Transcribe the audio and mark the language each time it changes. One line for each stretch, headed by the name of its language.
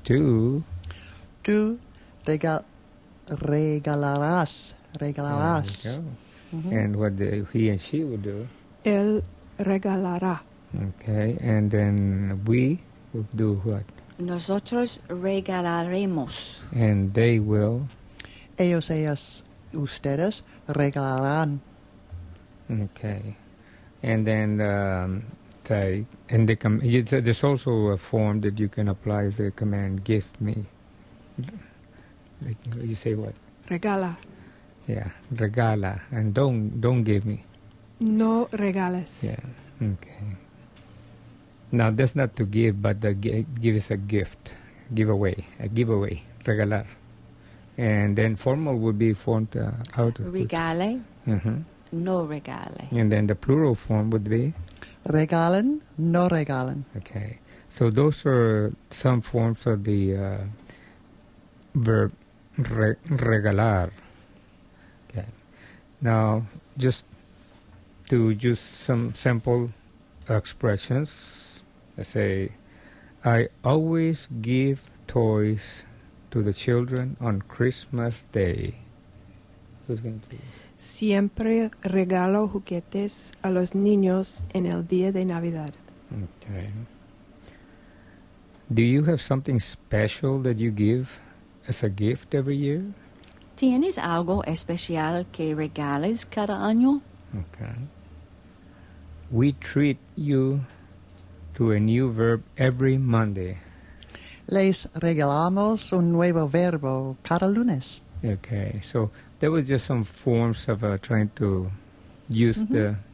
Spanish: Tú regalarás. Regalarás.
English: There you go. Mm-hmm. And what he and she would do?
Spanish: Él regalará.
English: Okay. And then we would do what?
Spanish: Nosotros regalaremos.
English: And they will.
Spanish: Ellos, ellas, ustedes regalarán.
English: Okay. And then there's also a form that you can apply as a command, give me. You say what?
Spanish: Regala.
English: Yeah, regala. And don't give me.
Spanish: No regales.
English: Yeah, okay. Now, that's not to give, but give is a gift. A giveaway. Regalar. And then formal would be formed out of...
Spanish: Regale. No regale.
English: And then the plural form would be...
Spanish: Regalen, no regalen.
English: Okay. So those are some forms of the verb regalar. Okay. Now, just to use some sample expressions, I say, I always give toys to the children on Christmas Day. Who's going to be?
Spanish: Siempre regalo juguetes a los niños en el día de Navidad.
English: Okay. Do you have something special that you give as a gift every year?
Spanish: ¿Tienes algo especial que regales cada año?
English: Okay. We treat you to a new verb every Monday.
Spanish: Les regalamos un nuevo verbo cada lunes.
English: Okay, so there was just some forms of trying to use mm-hmm.